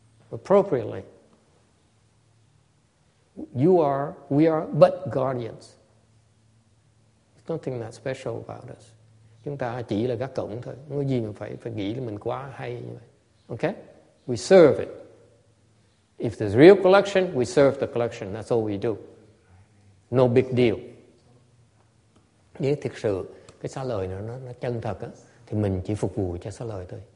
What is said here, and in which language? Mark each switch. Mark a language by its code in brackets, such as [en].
[en] Appropriately. We are but guardians. There's nothing that special about us. [vi] Chúng ta chỉ là gác cổng thôi. Không có gì mà phải nghĩ là mình quá hay như vậy. [en] Okay? We serve it. If there's real collection, we serve the collection. That's all we do. No big deal. [vi] Nếu thực sự cái xá lợi nó chân thật á, thì mình chỉ phục vụ cho xá lợi thôi.